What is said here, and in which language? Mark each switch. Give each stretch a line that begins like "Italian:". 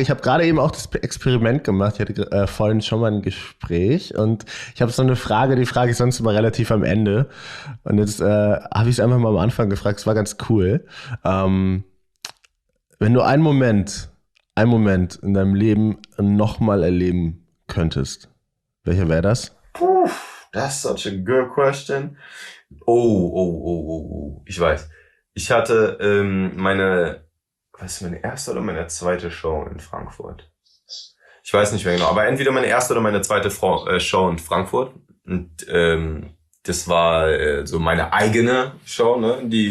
German: Ich habe gerade eben auch das Experiment gemacht. Ich hatte vorhin schon mal ein Gespräch und ich habe so eine Frage, die frage ich sonst immer relativ am Ende. Und jetzt habe ich es einfach mal am Anfang gefragt. Es war ganz cool. Wenn du einen Moment in deinem Leben nochmal erleben könntest, welcher wäre das?
English: That's such a good question.
German: Oh, ich weiß. Ich hatte meine erste oder meine zweite Show in Frankfurt. Ich weiß nicht mehr genau, aber entweder meine erste oder meine zweite Show in Frankfurt. Und das war so meine eigene Show, ne?